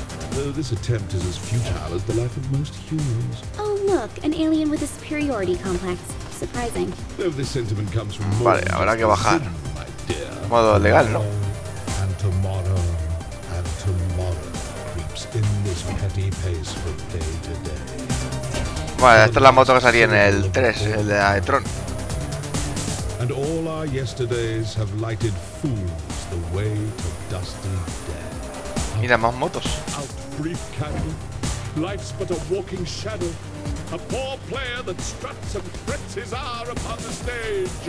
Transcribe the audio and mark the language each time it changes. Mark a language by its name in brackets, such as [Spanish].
[English] Though this attempt is as futile as the life of most humans. Oh, look, an alien with a superiority complex. Surprising. Though this sentiment comes from more. [Spanish] Vale, habrá que bajar. Modo legal, ¿no? [English] And tomorrow. And tomorrow. In this petty pace from day to day. [Spanish] Vale, esta es la moto que salía en el 3, el de Aetron. [English] And all our yesterdays have lighted fools the way to dusty death. [Spanish] Mira, más motos. [English] Out brief candle. Life's but a walking shadow. A poor player that struts and frets his hour upon the stage.